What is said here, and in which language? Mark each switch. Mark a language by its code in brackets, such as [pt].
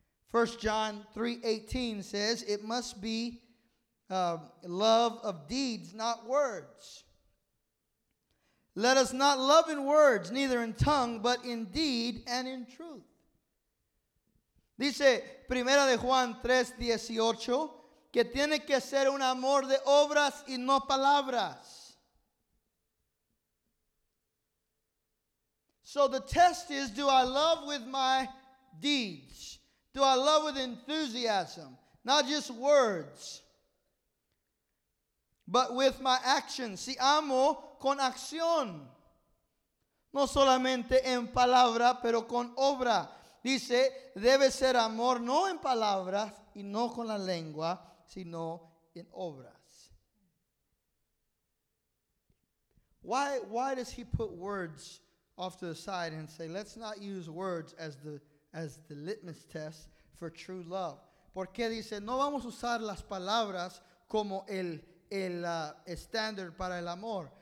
[en] 1 John 3:18 says, it must be love of deeds, not words. Let us not love in words, neither in tongue, but in deed and in truth. [es] Dice, Primera de Juan 3:18, que tiene que ser un amor de obras y no palabras. [en] So the test is, do I love with my deeds? Do I love with enthusiasm? Not just words, but with my actions. [es] Si amo con acción. No solamente en palabra, pero con obra. Dice, debe ser amor no en palabras y no con la lengua, sino en obras. [en] Why does he put words off to the side and say, let's not use words as the litmus test for true love? [es] ¿Por qué dice, no vamos a usar las palabras como el standard para el amor?